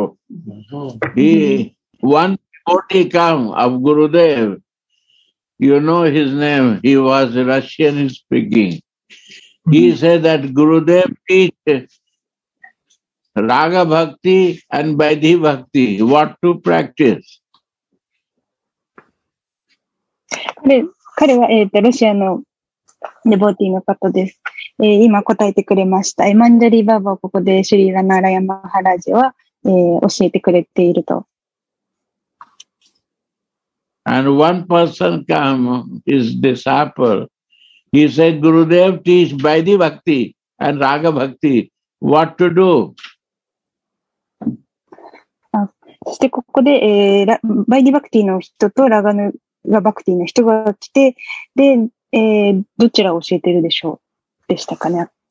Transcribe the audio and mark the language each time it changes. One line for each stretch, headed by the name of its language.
English: One devotee come of Gurudev, you know his name, he was Russian speaking. He said that Gurudev teach Raga Bhakti and Vaidhi Bhakti, what to practice. Yes.
Japanese: 彼は、ロシアのデボーティーの方です。今答えてくれました。マンジャリーバーバーをここでシュリーラナーラヤマハラジは、教えてくれていると。
English: And one person came, his disciple. He said, Gurudev teach Vaidhi Bhakti and Raga Bhakti. What to do?
Japanese: そしてここで、バイディバクティの人とラガヌがバクティの人が来て、で、どちらを教えているでしょうでしたかね。